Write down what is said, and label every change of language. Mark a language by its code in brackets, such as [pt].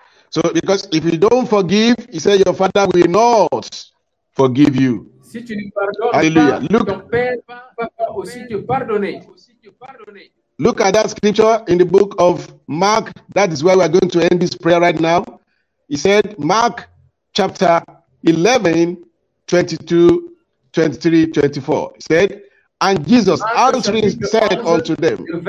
[en] So, because if you don't forgive, he said, your father will not forgive you. [fr] Si tu pardonnes, hallelujah. [en] Look. [fr] Ton père va aussi te pardonner. [en] Look at that scripture in the book of Mark. That is where we are going to end this prayer right now. He said, Mark chapter 11, 22, 23, 24. He said, and Jesus answering said unto them,